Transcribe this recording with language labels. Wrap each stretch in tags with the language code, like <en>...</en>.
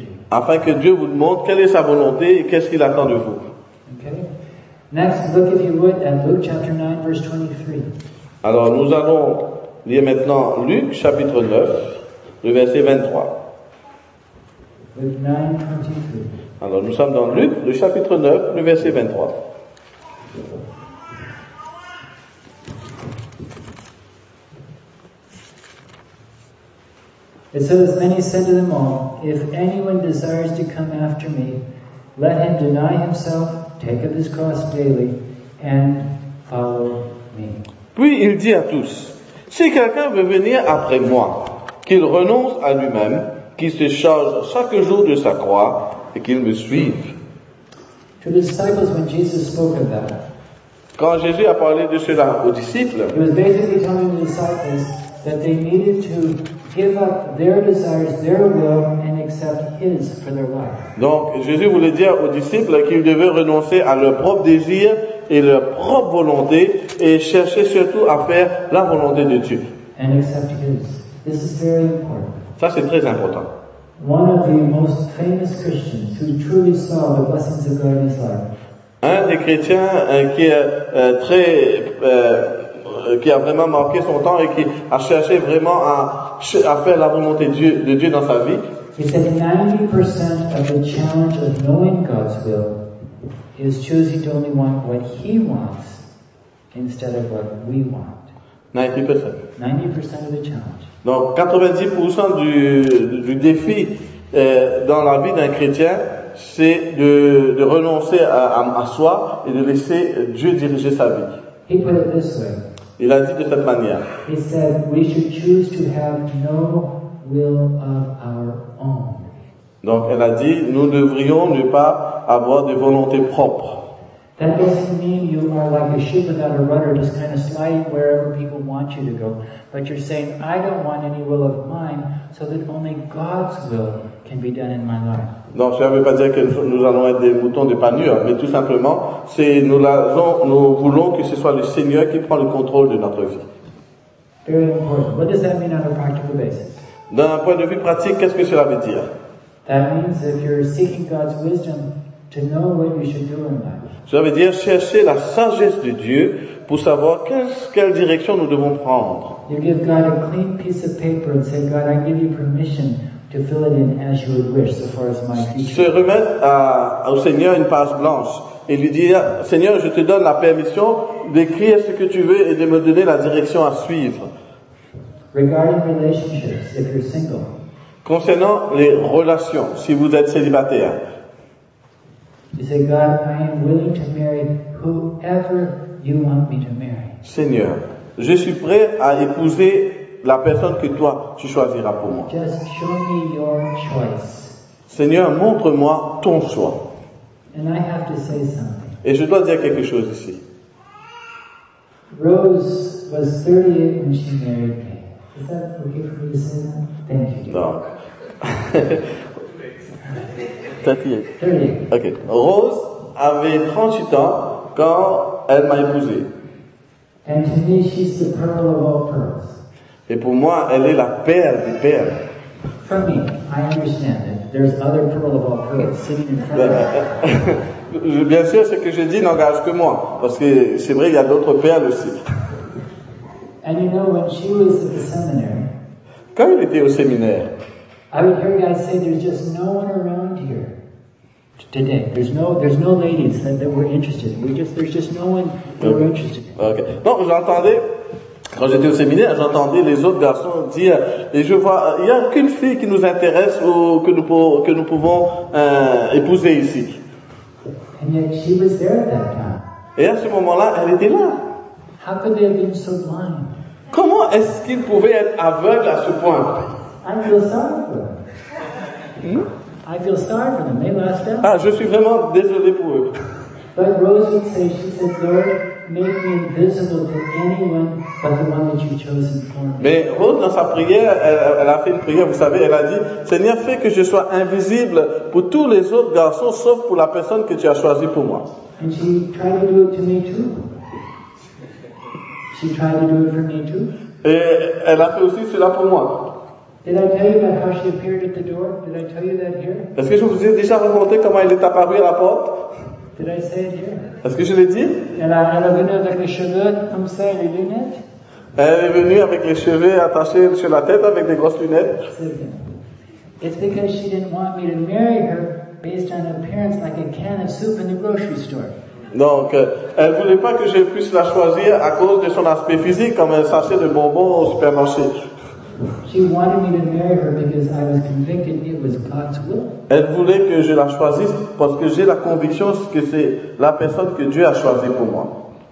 <fr>Afin que Dieu vous montre quelle est sa volonté et qu'est-ce qu'il attend de vous.</fr> <en>Okay. Next, look if you would at Luke chapter 9, verse 23.</en> <fr>Alors, nous allons lire maintenant Luc chapitre 9, le verset 23.</fr> <en>Luke 9, 23.</en> <fr>Alors, nous sommes dans Luc, le chapitre 9, le verset 23.</fr> <en>It says, then he said to them all, if anyone desires to come after me, let him deny himself, take up his cross daily, and follow me.</en> <fr>Puis il dit à tous, si quelqu'un veut venir après moi, qu'il renonce à lui-même, qu'il se charge chaque jour de sa croix, et qu'il me suive.</fr> <en>To the disciples, when Jesus spoke of that,</en> <fr>quand Jésus a parlé de cela aux disciples,</fr> <en>he was basically telling the disciples that they needed to</en> <fr>donc, Jésus voulait dire aux disciples qu'ils devaient renoncer à leurs propres désirs et leur propre volonté et chercher surtout à faire la volonté de Dieu.</fr> <en>And accept his. This is very important.</en> <fr>Ça, c'est très important.</fr> <en>One of the most famous Christians who truly saw the blessings of God in his life.</en> <fr>Un des chrétiens qui est très qui a vraiment marqué son temps et qui a cherché vraiment à faire la volonté de Dieu dans sa vie.</fr> <en>He said 90% of the challenge of knowing God's will is choosing to only want what he wants instead of what we want. 90%. 90% of the challenge.</en> <fr>Donc 90% du défi dans la vie d'un chrétien, c'est de renoncer à soi et de laisser Dieu diriger sa vie.</fr> <en>He put it this way.</en> <fr>Il a dit de cette manière.</fr> <en>He said, we should choose to have no will of our own.</en> <fr>Donc, elle a dit, nous devrions ne pas avoir de volonté propre.</fr> <en>That doesn't mean you are like a ship without a rudder, just kind of sliding wherever people want you to go. But you're saying, I don't want any will of mine, so that only God's will can be done in my life.</en> <fr>Donc, ça ne veut pas dire que nous allons être des moutons de panure, mais tout simplement, c'est nous voulons que ce soit le Seigneur qui prend le contrôle de notre vie.</fr> <en>Very important. What does that mean on a practical basis?</en> <fr>D'un point de vue pratique, qu'est-ce que cela veut dire?</fr> <en>That means if you're seeking God's wisdom to know what you should do in life.</en> <fr>Cela veut dire chercher la sagesse de Dieu pour savoir quelle direction nous devons prendre.</fr> <en>You give God a clean piece of paper and say, God, I give you permission to fill it in as you would wish, so far as my future.</en> <fr>Se remettre au Seigneur une page blanche et lui dire, Seigneur, je te donne la permission d'écrire ce que tu veux et de me donner la direction à suivre.</fr> <en>Regarding relationships, if you're single.</en> <fr>Concernant les relations, si vous êtes célibataire.</fr> <en>You say, God, I am willing to marry whoever you want me to marry.</en> <fr>Seigneur, je suis prêt à épouser la personne que toi tu choisiras pour moi.</fr> <en>Just show me your choice.</en> <fr>Seigneur, montre-moi ton choix.</fr> <en>And I have to say something.</en> <fr>Et je dois dire quelque chose ici.</fr> <en>Rose was 38 when she married me. Is that okay for me to say that? Thank you.</en> <fr>Donc. 38. 38. Okay. Rose avait 38 ans quand elle m'a épousé.</fr> <en>And to me, she's the pearl of all pearls.</en> <fr>Et pour moi, elle est la perle des perles.</fr> <en>For me, I understand that there's other pearl of all pearls sitting in front of me.</en> <fr>Bien sûr, ce que j'ai dit n'engage que moi, parce que c'est vrai, il y a d'autres perles aussi.</fr> <en>And you know, when she was at the seminary,</en> <fr>quand elle était au séminaire,</fr> <en>I would hear guys say, "There's just no one around here today. There's no ladies that were interested. There's just no one that were interested." Okay.</en> <fr>Donc j'entendais, quand j'étais au séminaire, j'entendais les autres garçons dire, et je vois, il y a qu'une fille qui nous intéresse ou que nous pouvons épouser ici.</fr> <en>And yet she was there at that time.</en> <fr>Et à ce moment-là, elle était là.</fr> <en>How could they have been so blind?</en> <fr>Comment est-ce qu'ils pouvaient être aveugles à ce point?</fr> <en>I feel sorry for them. I feel sorry for them. They lost out.</en> <fr>Ah, je suis vraiment désolé pour eux.</fr> <en>But Rose would say, she said, "Lord, make me invisible to anyone but the one that you've chosen for me."</en> <fr>Mais Rose, dans sa prière, elle a fait une prière, vous savez, elle a dit, « Seigneur, fais que je sois invisible pour tous les autres garçons, sauf pour la personne que tu as choisie pour moi. »</fr> <en>And she tried to do it to me too. She tried to do it for me too.</en> <fr>Et elle a fait aussi cela pour moi.</fr> <en>Did I tell you about how she appeared at the door? Did I tell you that here?</en> <fr>Est-ce que je vous ai déjà raconté comment elle est apparue à la porte?</fr> <en>Did I say it here?</en> <fr>Est-ce que je l'ai dit? Elle est venue avec les cheveux comme ça et les lunettes. Elle est venue avec les cheveux attachés sur la tête avec des grosses lunettes.</fr> <en>It's because she didn't want me to marry her based on appearance like a can of soup in the grocery store.</en> <fr>Donc, elle voulait pas que je puisse la choisir à cause de son aspect physique comme un sachet de bonbons au supermarché.</fr> <en>She wanted me to marry her because I was convicted it was God's will.</en> <fr>Elle voulait que je la choisisse parce que j'ai la conviction que c'est la personne que Dieu a choisie pour moi.</fr>